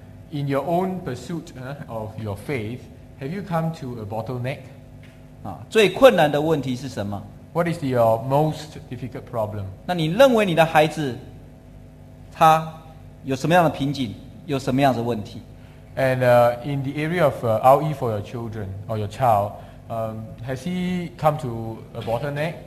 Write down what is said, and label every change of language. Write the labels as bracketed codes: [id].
[en] In your own pursuit of your faith, have you come to a bottleneck? [zh] 最困难的问题是什么？ [en] What is your most difficult problem? [zh] 那你认为你的孩子他有什么样的瓶颈，有什么样的问题？ [en] And in the area of RE for your children or your child, has he come to a bottleneck?